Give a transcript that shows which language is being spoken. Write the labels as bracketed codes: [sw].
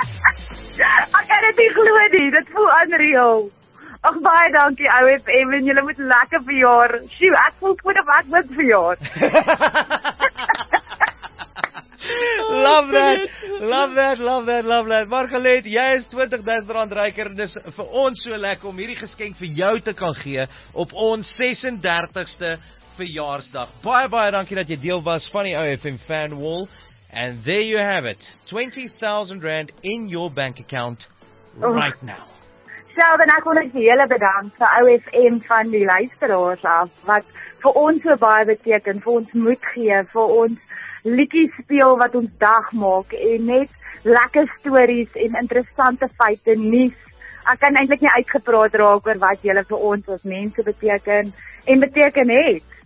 [af] Ek kan dit nie glo nie, dit voel unreal. Ach, baie dankie, ouwe FM, en julle moet lekker verjaar. Sjoe, ek voel goed op ek moet verjaar. [en] Love that, love that, love that, love that. [af] Margalit, jy is 20,000 rand ryker, en dis vir ons so lekker om hierdie geskenk vir jou te kan gee op ons 36ste verjaarsdag. Baie, baie dankie dat jy deel was van die ouwe FM fan wall. [en] And there you have it, 20,000 rand in your bank account right now. [af] Sheldon, ek wil net die hele bedank vir OFM van die luisteraars af, wat vir ons so baie beteken, vir ons moed gee, vir ons liedjies speel wat ons dag maak, en net lekker stories en interessante feite nuus. Ek kan eintlik nie uitgepraat raak oor wat julle vir ons as mense beteken, en beteken het.